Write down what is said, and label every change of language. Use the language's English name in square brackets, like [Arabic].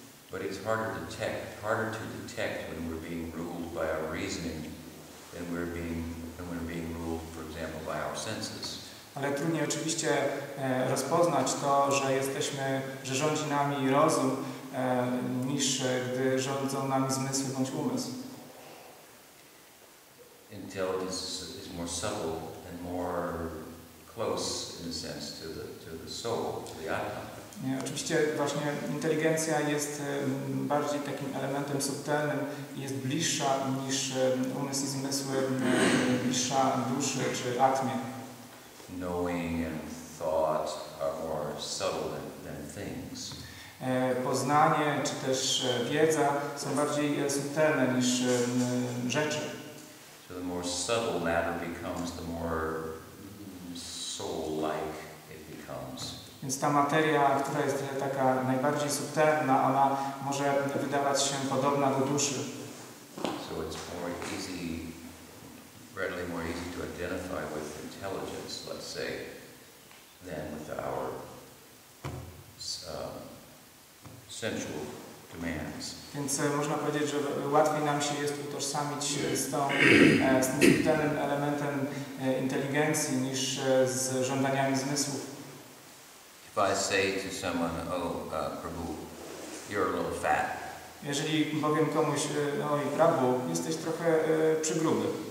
[English] But it's harder to detect when we're being ruled by our reasoning than when we're being ruled, for example, by our senses. [Polish] Ale trudniej oczywiście rozpoznać to, że rządzi nami rozum, niż gdy rządzą nami zmysły bądź umysł. [English] Intelligence is more subtle and more close, in a sense, to the soul, to the atma. [Polish] Nie, oczywiście właśnie inteligencja jest bardziej takim elementem subtelnym i jest bliższa niż umysł i zmysły, bliższa duszy czy atmie. [English] Knowing and thought are more subtle than things. [Polish] Poznanie czy też wiedza są bardziej subtelne niż rzeczy. [English] So more subtle matter becomes, the more soul-like it becomes. [Polish] Więc ta materia, która jest taka najbardziej subtelna, ona może wydawać się podobna do duszy. [English] So it's more easy, readily more easy to identify with intelligence, let's say, than with our sensual demands. [Polish] Więc można powiedzieć, że łatwiej nam się jest utożsamić z tą, z tym subtelnym elementem inteligencji niż z żądaniami zmysłów. [English] If I say to someone, oh, Prabhu, you're a little fat. [Polish] Jeżeli powiem komuś, no i Prabhu, jesteś trochę przygruby.